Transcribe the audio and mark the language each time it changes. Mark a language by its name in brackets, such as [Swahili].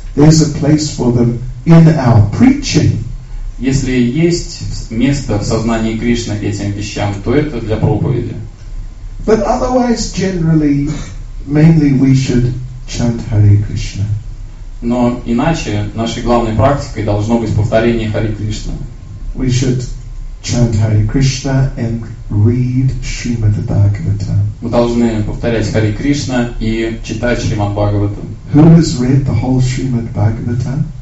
[English] There's a place for them in our preaching. [Russian] Если есть место в сознании Кришны этим вещам, то это для проповеди. [English] But otherwise, generally, mainly we should chant Hare Krishna. [Russian] Но иначе нашей главной практикой должно быть повторение Харе Кришна. [English] We should chant Hare Krishna and read Shrimad Bhagavatam. [Russian] Мы должны повторять Харе Кришна и читать Шримад Бхагаватам. [English] Who has read the whole Shrimad Bhagavatam?